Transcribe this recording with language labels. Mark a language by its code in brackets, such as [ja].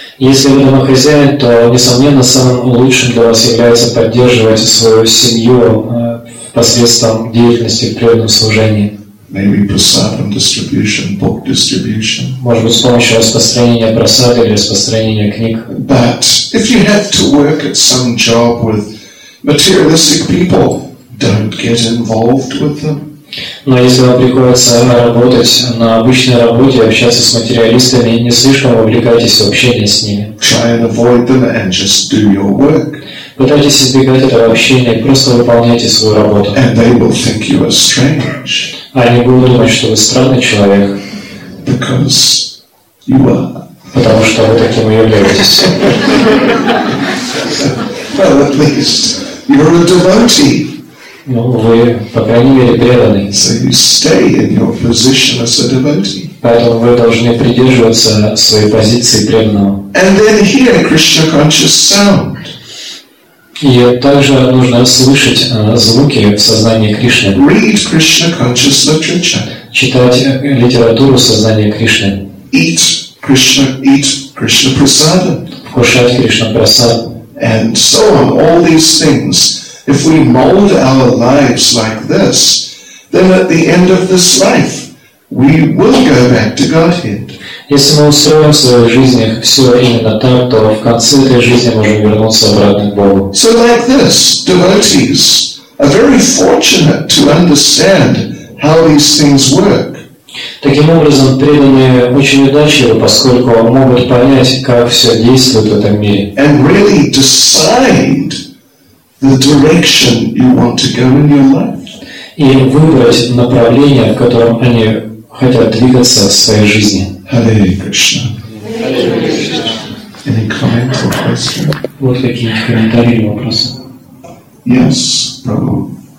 [ru] Если вы домохозяин, то, несомненно, самым лучшим для вас является поддерживать свою семью посредством деятельности в преданном служении. [en] Maybe prasadam distribution, book distribution. [ru] Может быть, с помощью распространения прасад или распространения книг. [en] But if you have to work at some job with materialistic people, don't get involved with them. [ru] Но если вам приходится работать на обычной работе, общаться с материалистами, не слишком вовлекайтесь в общение с ними. [en] Try and avoid them and just do your work. [ru] Пытайтесь избегать этого общения и просто выполняйте свою работу. [en] And they will think you are strange. [ru] Они будут думать, что вы странный человек. [en] Because you are. [ru] Потому что вы таким и являетесь. [en] Well, at least you're a devotee. [ru] Ну, вы, по крайней мере, преданный. [en] So you stay in your position as a devotee. [ru] Поэтому вы должны придерживаться своей позиции преданного. [en] And then hear Krishna conscious sound. [ru] И также нужно слышать звуки в сознании Кришны. [en] Read Krishna conscious literature. [ru] Читать литературу сознания Кришны. [en] Eat Krishna prasadam. [ru] Вкушать Кришна прасад. [en] And so on, all these things. If we mold our lives like this, then at the end of this life, we will go back to Godhead. [ru] Если мы устроим в своей жизни все именно так, то в конце этой жизни можем вернуться обратно к Богу. [en] So like this, devotees are very fortunate to understand how these things work. [ru] Таким образом, преданные очень удачливы, поскольку могут понять, как все действует в этом мире. [en] And really decide the direction you want to go in your life. [ru] И выбрать направление, в котором они хотят двигаться в своей жизни. [en] Hare Krishna. Any comment or question? [ru] Вот какие комментарии или вопросы. [en] Yes, Prabhu.